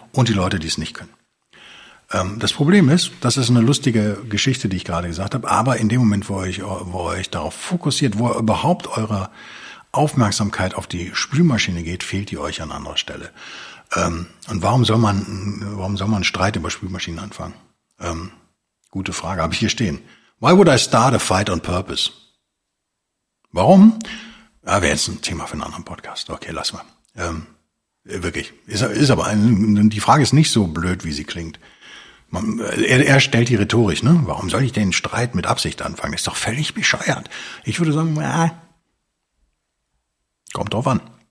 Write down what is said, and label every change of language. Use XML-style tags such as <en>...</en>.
<de>Und die Leute, die es nicht können. Das Problem ist, das ist eine lustige Geschichte, die ich gerade gesagt habe, aber in dem Moment, wo ihr euch darauf fokussiert, wo überhaupt eure Aufmerksamkeit auf die Spülmaschine geht, fehlt die euch an anderer Stelle. Und warum soll man einen Streit über Spülmaschinen anfangen? Gute Frage, habe ich hier stehen.</de> <en>Why would I start a fight on purpose?</en> <de>Warum? Ja, wäre jetzt ein Thema für einen anderen Podcast. Okay, lass mal. Wirklich. Die Frage ist nicht so blöd, wie sie klingt. Er stellt die rhetorisch, ne? Warum soll ich den Streit mit Absicht anfangen? Ist doch völlig bescheuert. Ich würde sagen, kommt drauf an.</de>